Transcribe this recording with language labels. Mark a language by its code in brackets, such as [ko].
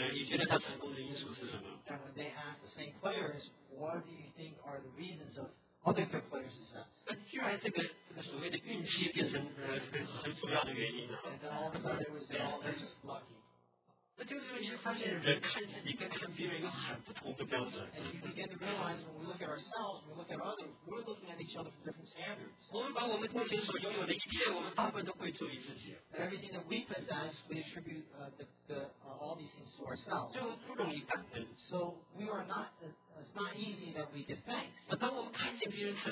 [zh] 当问到说别人有没有很有成就的人，你觉得他成功的因素是什么？ [en] And when they ask the same players, what do you think are the reasons of other good players' success? [zh] 那居然这个所谓的运气变成很主要的原因了。 [en] And all of a sudden, they would say, "Oh, they're just lucky." [zh] 那就是你会发现，人看自己跟看别人有很不同的标准。 [en] And you begin to realize when we look at ourselves, when we look at others, we're looking at each other from different standards. [zh] 我们把我们目前所拥有的一切，我们大部分都归咎于自己。 [en] And everything that we possess, we attribute all these things to ourselves. [zh] 就不容易感恩。 [en] So we are not, it's not easy that we give thanks.